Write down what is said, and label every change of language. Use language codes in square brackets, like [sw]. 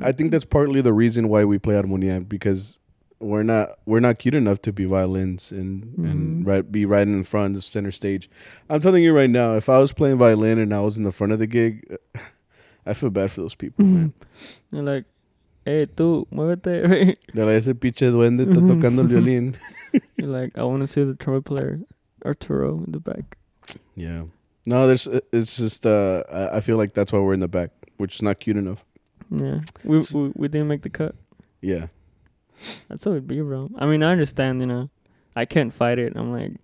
[en] I think that's partly the reason why we play harmonia, because we're not cute enough to be violins and, mm-hmm. and be right in front of center stage. I'm telling you right now, if I was playing violin and I was in the front of the gig, I feel bad for those people, man. They're like, hey, [es] tú, muévete, [en] right? They're like, [es] ese pinche duende está tocando el violín. [en] You're like, I want to see the trumpet player, Arturo, in the back. Yeah. No, it's just, I feel like that's why we're in the back, which is not cute enough. Yeah. We didn't make the cut. Yeah. That's how it'd be, bro. I mean, I understand, you know. I can't fight it. I'm like...